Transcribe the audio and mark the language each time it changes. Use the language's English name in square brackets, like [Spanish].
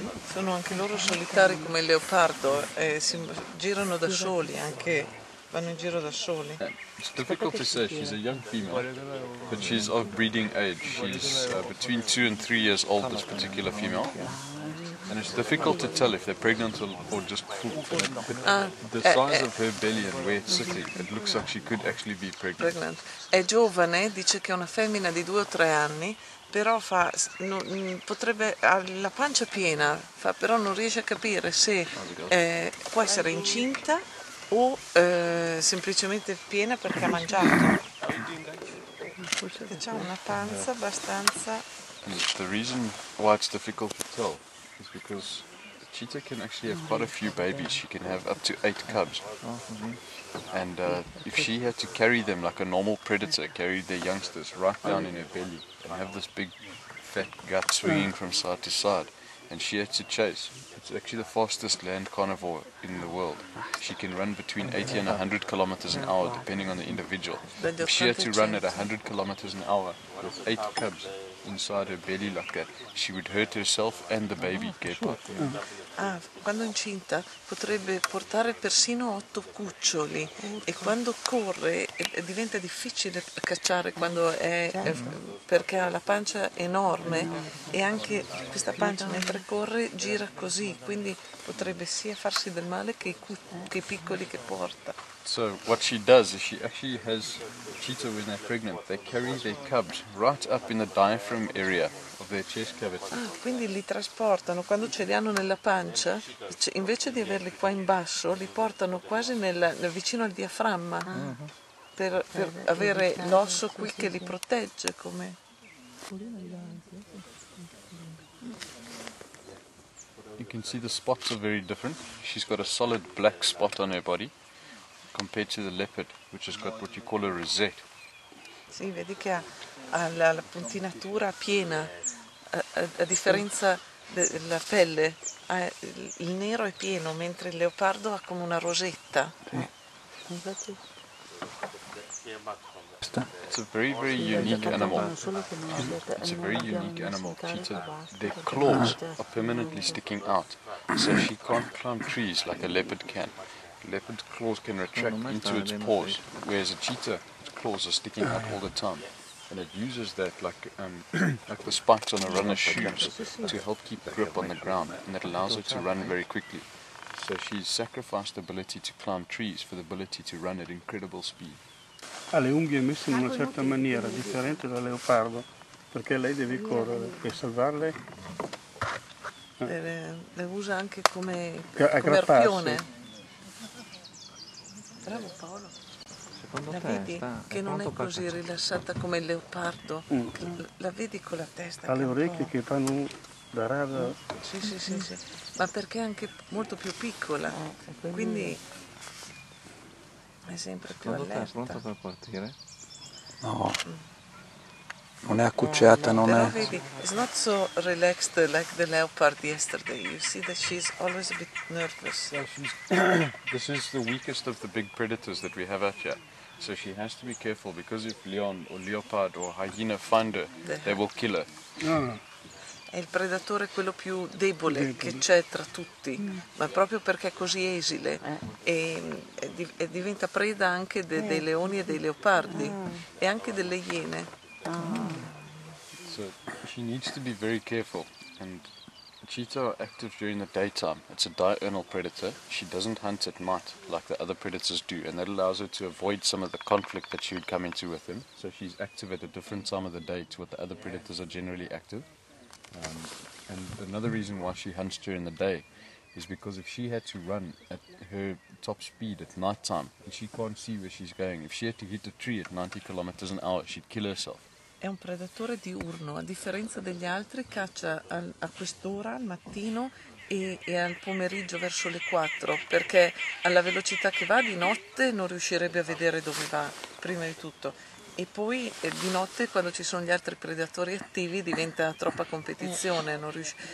[Italian] Sono anche loro solitari come il leopardo e si girano da soli anche. Vanno in giro da soli. [English] It's difficult to say, she's a young female, but she's of breeding age. She's between 2 and 3 years old, this particular female. And it's difficult to tell if they're pregnant or just full. The size of her belly and where it's sitting, it looks like she could actually be pregnant. [Italian] È giovane, dice che è una femmina di 2 o 3 anni, però fa, no, potrebbe, ha la pancia piena, fa, però non riesce a capire se può essere incinta o semplicemente piena perché ha mangiato. C'è una panza abbastanza. [English] The reason why it's difficult to tell is because a cheetah can actually have quite a few babies. She can have up to 8 cubs. And if she had to carry them like a normal predator, carry their youngsters right down in her belly and have this big fat gut swinging from side to side, and she had to chase. It's actually the fastest land carnivore in the world. She can run between 80 and 100 kilometers an hour, depending on the individual. If she had to run at 100 kilometers an hour with 8 cubs inside her belly like that, she would hurt herself and the baby ghepard. [Italian] Ah, quando incinta potrebbe portare persino 8 cuccioli e quando corre diventa difficile cacciare quando è perché ha la pancia enorme e anche questa pancia mentre corre gira così, quindi potrebbe sia farsi del male che i piccoli che porta. [English] So what she does is she actually has cheetah when they're pregnant, they carry their cubs right up in the diaphragm area of their chest cavity. [Italian] Ah, quindi li trasportano quando ce li hanno nella pancia, invece di averli qua in basso, li portano quasi vicino al diaframma per avere l'osso qui che li protegge come. [English] You can see the spots are very different. She's got a solid black spot on her body, compared to the leopard, which has got what you call a rosette. [Italian] Sì, vedi che ha la puntinatura piena, a differenza la pelle, il nero è pieno, mentre il leopardo ha come una rosetta. [English] It's a very, very unique animal. It's a very unique animal, cheetah. Their claws are permanently sticking out, so she can't climb trees like a leopard can. Leopard's claws can retract into its paws, whereas a cheetah, its claws are sticking out all the time. And it uses that like the spikes on a runner's shoes to help keep grip on the ground, and that allows her to run very quickly. So she's sacrificed the ability to climb trees for the ability to run at incredible speed. [Italian] Ha le unghie messe in una certa maniera, differente dal leopardo, perché lei deve correre per salvarle. Le usa anche come arpione. Bravo Paolo. Secondo la te vedi sta, che è non è così per... rilassata come il leopardo? La vedi con la testa? Ha le orecchie che fanno da rada. Sì. Ma perché è anche molto più piccola. Quindi... è sempre più allerta. È pronta per partire? No, non è accucciata, no, non è... Però vedi, [English] it's not so relaxed like the leopard yesterday. You see that she's always a bit nervous. This is the weakest of the big predators that we have out here. So she has to be careful, because if leon or leopard or hyena find her, they will kill her. [Italian] È il predatore quello più debole che c'è tra tutti, ma proprio perché è così esile e diventa preda anche dei leoni e dei leopardi e anche delle iene. [English] So she needs to be very careful, and cheetah are active during the daytime. It's a diurnal predator. She doesn't hunt at night like the other predators do, and that allows her to avoid some of the conflict that she would come into with them. So she's active at a different time of the day to what the other predators are generally active. And another reason why she hunts during the day is because if she had to run at her top speed at night time, and she can't see where she's going, if she had to hit a tree at 90 kilometers an hour, she'd kill herself. [Italian] È un predatore diurno, a differenza degli altri, caccia a quest'ora, al mattino, e al pomeriggio verso le 4, perché alla velocità che va di notte non riuscirebbe a vedere dove va, prima di tutto. E poi di notte, quando ci sono gli altri predatori attivi, diventa troppa competizione, non riusci...